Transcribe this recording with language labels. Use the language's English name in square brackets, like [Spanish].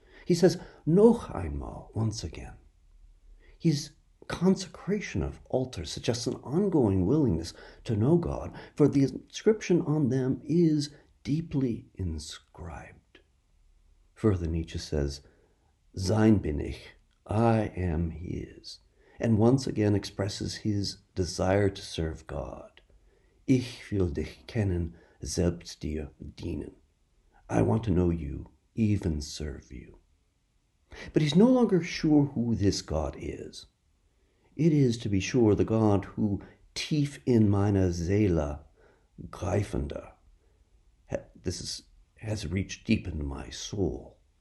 [English] He says, [German] noch einmal, [English] once again. He's consecration of altars suggests an ongoing willingness to know God, for the inscription on them is deeply inscribed. Further, Nietzsche says, [German] Sein bin ich, [English] I am his, and once again expresses his desire to serve God. [German] Ich will dich kennen, selbst dir dienen. [English] I want to know you, even serve you. But he's no longer sure who this God is. It is, to be sure, the God who, [German] tief in meiner Seele greifender, [English] has reached deep into my soul.